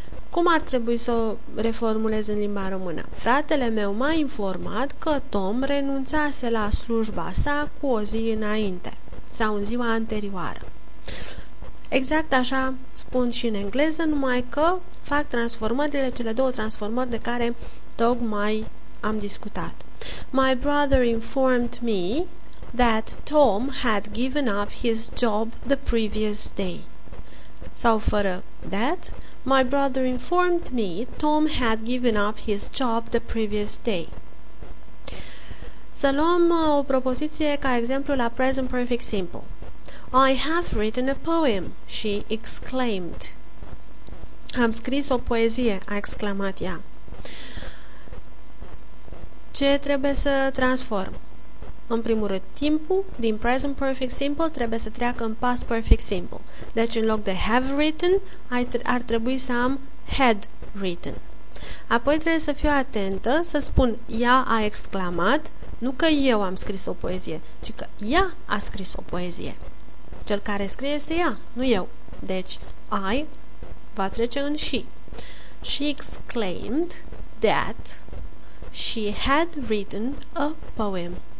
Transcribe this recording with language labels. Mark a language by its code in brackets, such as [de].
[ro] Cum ar trebui să o reformulez în limba română? Fratele meu m-a informat că Tom renunțase la slujba sa cu o zi înainte, sau în ziua anterioară. Exact așa spun și în engleză, numai că fac transformările, cele două transformări de care tocmai am discutat. [en] My brother informed me that Tom had given up his job the previous day. [ro] Sau fără [en] that, my brother informed me Tom had given up his job the previous day. [ro] Să luăm o propoziție ca exemplu la present perfect simple. [en] I have written a poem, she exclaimed. [ro] Am scris o poezie, a exclamat ea. Ce trebuie să transform? În primul rând, timpul din present perfect simple trebuie să treacă în past perfect simple. Deci, în loc de [en] have written, [ro] ar trebui să am [en] had written. [ro] Apoi trebuie să fiu atentă, să spun ea a exclamat, nu că eu am scris o poezie, ci că ea a scris o poezie. Cel care scrie este ea, nu eu. Deci, I va trece în she. [en] She exclaimed that she had written a poem.